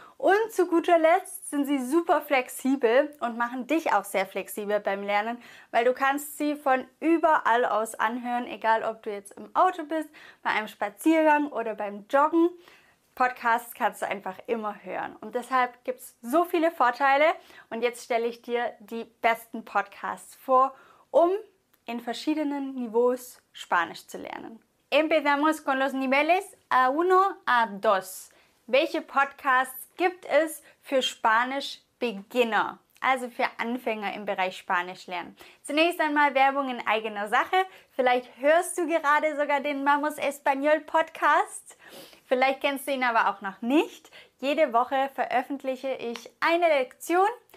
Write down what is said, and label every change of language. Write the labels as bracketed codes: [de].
[de] Und zu guter Letzt sind sie super flexibel und machen dich auch sehr flexibel beim Lernen, weil du kannst sie von überall aus anhören, egal ob du jetzt im Auto bist, bei einem Spaziergang oder beim Joggen. Podcasts kannst du einfach immer hören und deshalb gibt es so viele Vorteile und jetzt stelle ich dir die besten Podcasts vor, um in verschiedenen Niveaus Spanisch zu lernen. [es] Empezamos con los niveles A1, A2. [de] Welche Podcasts gibt es für Spanisch-Beginner, also für Anfänger im Bereich Spanisch lernen? Zunächst einmal Werbung in eigener Sache. Vielleicht hörst du gerade sogar den Vamos Español Podcast. Vielleicht kennst du ihn aber auch noch nicht. Jede Woche veröffentliche ich eine Lektion